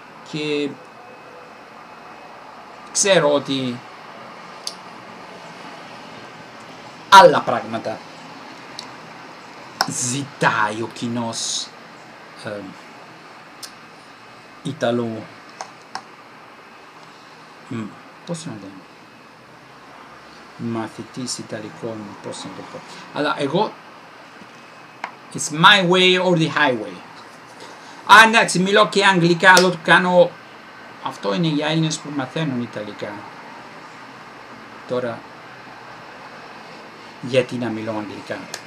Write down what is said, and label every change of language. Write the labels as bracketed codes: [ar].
[el] Και ξέρω ότι άλλα πράγματα ζητάει ο κοινός Ιταλού. Πώς να το μαθητής Ιταλικών, πώς να το πω. Αλλά εγώ, [en] it's my way or the highway. [el] Α, εντάξει, μιλώ και αγγλικά, αλλά το κάνω, αυτό είναι για Έλληνες που μαθαίνουν Ιταλικά. Τώρα, γιατί να μιλώ αγγλικά.